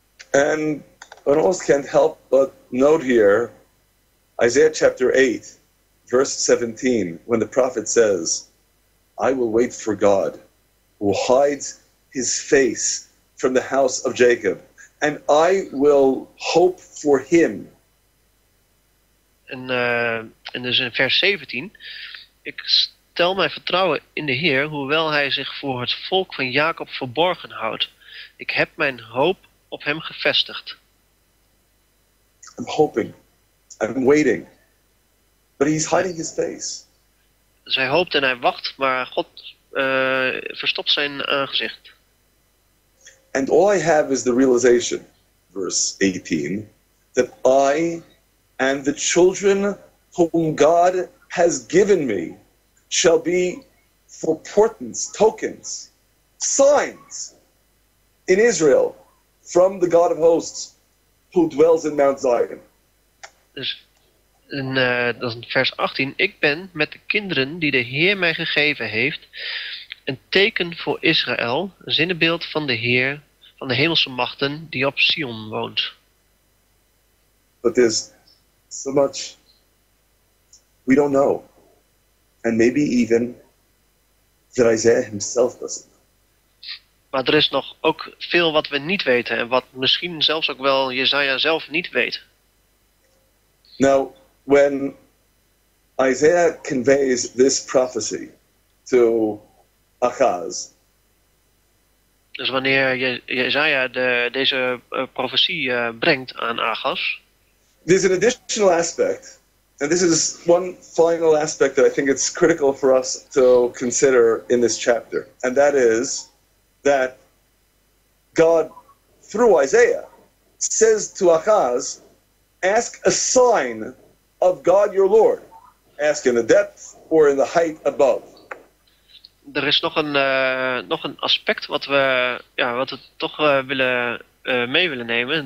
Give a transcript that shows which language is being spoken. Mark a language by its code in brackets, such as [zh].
[en] And one also can't help but note here Isaiah chapter 8, verse 17, when the prophet says, I will wait for God, who hides his face from the house of Jacob, and I will hope for him. [nl] En dus in vers 17, ik stel mijn vertrouwen in de Heer, hoewel hij zich voor het volk van Jacob verborgen houdt. Ik heb mijn hoop op hem gevestigd. [en] I'm hoping. I'm waiting. But he's hiding his face. [nl] Dus hij hoopt en hij wacht, maar God verstopt zijn aangezicht. [en] And all I have is the realization, verse 18, that I and the children whom God has given me shall be for portents, tokens, signs in Israel from the God of hosts who dwells in Mount Zion. [nl] Dus dat is vers 18. Ik ben met de kinderen die de Heer mij gegeven heeft een teken voor Israël, een zinnenbeeld van de Heer, van de hemelse machten die op Sion woont. [en] But there's so much we don't know. And maybe even that Isaiah himself doesn't know. [nl] Maar er is nog ook veel wat we niet weten en wat misschien zelfs ook wel Jesaja zelf niet weet. [en] Now, when Isaiah conveys this prophecy to Ahaz. [nl] Dus wanneer Jesaja deze profetie brengt aan Ahaz. [en] There's an additional aspect, and this is one final aspect that I think it's critical for us to consider in this chapter. And that is that God, through Isaiah, says to Ahaz, ask a sign of God your Lord. Ask in the depth or in the height above. [nl] Er is nog een aspect wat we, ja, wat we toch willen, mee willen nemen.